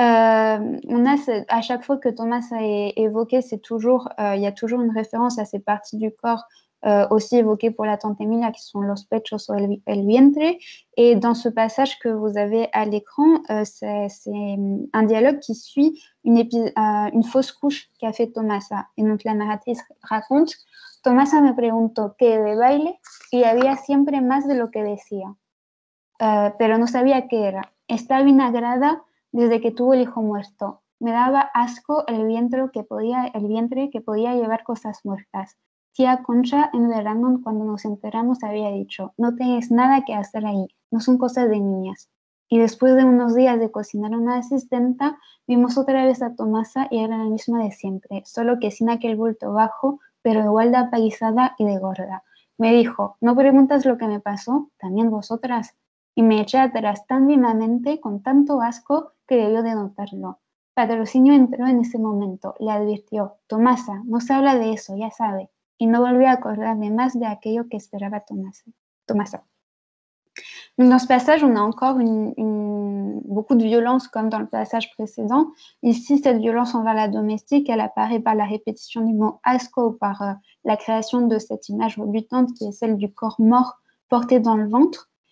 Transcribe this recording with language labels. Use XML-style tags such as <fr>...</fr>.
<fr>À chaque fois que Tomasa est évoqué, c'est toujours, y a toujours une référence à ces parties du corps aussi évoquées pour la tante Emilia, qui sont</fr> <es>los pechos o el vientre.</es> <fr>Et dans ce passage que vous avez à l'écran, c'est un dialogue qui suit une fausse couche qu'a fait Tomasa. Et donc la narratrice raconte:</fr> <es>Tomasa me preguntó qué de baile y había siempre más de lo que decía, pero no sabía qué era. Está vinagrada desde que tuvo el hijo muerto. Me daba asco el vientre que podía llevar cosas muertas. Tía Concha en verano, cuando nos enteramos, había dicho: no tienes nada que hacer ahí, no son cosas de niñas. Y después de unos días de cocinar a una asistenta, vimos otra vez a Tomasa y era la misma de siempre, solo que sin aquel bulto bajo, pero igual de apaguizada y de gorda. Me dijo: ¿no preguntas lo que me pasó? ¿También vosotras? Y me eché atrás tan vivamente, con tanto asco, que debió de notarlo. Patrocinio entró en ese momento, le advirtió: Tomasa, no se habla de eso, ya sabe. Y no volví a acordarme más de aquello que esperaba Tomasa.</es> <fr>Dans ce passage, on a encore beaucoup de violence comme dans le passage précédent. Ici, cette violence envers la domestique, elle apparaît par la répétition du mot asco, par la création de cette image rebutante qui est celle du corps mort porté dans le ventre.</fr>